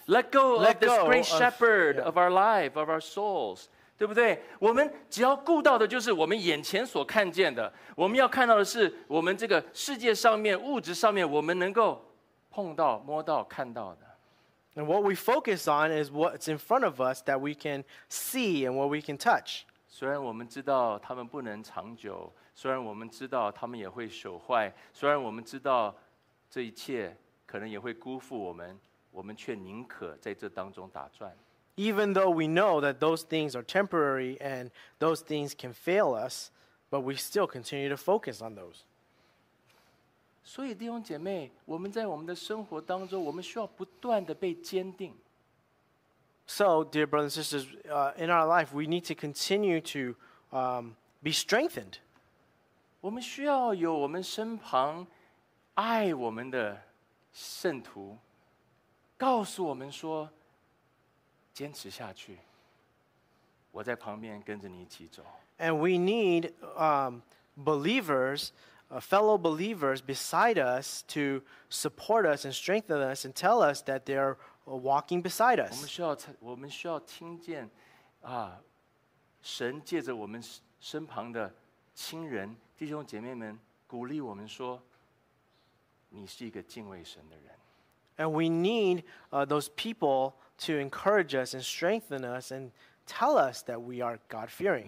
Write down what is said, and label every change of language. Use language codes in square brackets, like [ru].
[en] let go of this great shepherd of our life, of our souls. [zh] 对不对？我们只要顾到的就是我们眼前所看见的。我们要看到的是我们这个世界上面、物质上面我们能够碰到、摸到、看到的。 [en] And what we focus on is what's in front of us that we can see and what we can touch. [zh] 虽然我们知道他们不能长久，虽然我们知道他们也会朽坏，虽然我们知道这一切可能也会辜负我们，我们却宁可在这当中打转。 [en] Even though we know that those things are temporary and those things can fail us, but we still continue to focus on those. [zh] 所以弟兄姐妹，我们在我们的生活当中，我们需要不断的被坚定。 [en] So, dear brothers and sisters, in our life, we need to continue to be strengthened. [zh] 我们需要有我们身旁爱我们的圣徒告诉我们说，坚持下去，我在旁边跟着你一起走。 [en] And we need believers, fellow believers beside us to support us and strengthen us and tell us that they're walking beside us. [zh] 我们需要听见啊，神借着我们身旁的亲人、弟兄姐妹们鼓励我们说，你是一个敬畏神的人。 [en] And we need those people to encourage us and strengthen us and tell us that we are God-fearing.